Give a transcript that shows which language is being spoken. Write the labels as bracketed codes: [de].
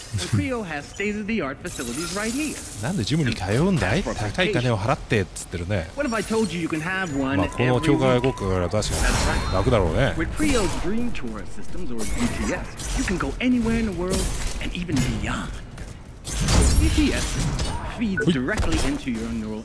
[en] Creo has state-of-the-art facilities right here. [ja] なんでジムに通うんだい？高い金を払ってっつってるね。 [en] What if I told you you can have one? [ja] まあこの境界国家から確かに楽だろうね。 [en] With Creo's Dream Tour systems or GPS, you can go anywhere in the world and even beyond. GPS feeds directly into your neural